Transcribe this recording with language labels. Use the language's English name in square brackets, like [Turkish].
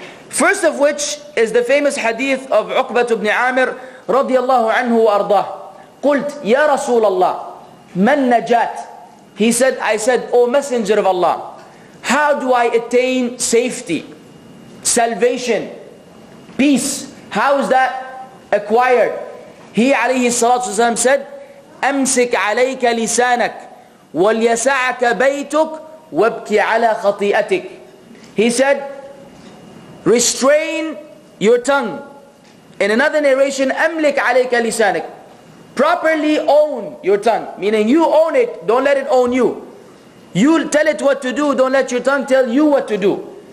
[English] First of which is the famous hadith of Uqbah ibn Amir radiyallahu anhu wa ardah. [Arabic] Qult ya Rasulallah, man najat? [English] He said, I said, O Messenger of Allah, how do I attain safety, salvation, peace? How is that acquired? He alayhi salatu wasalam said, [Arabic] أمسك عليك لسانك وليسعك بيتك وابكي على خطيئتك. [English] He said, restrain your tongue. In another narration, [Arabic] أملك عليك لسانك. [English] Properly own your tongue. Meaning you own it, don't let it own you. You tell it what to do, don't let your tongue tell you what to do.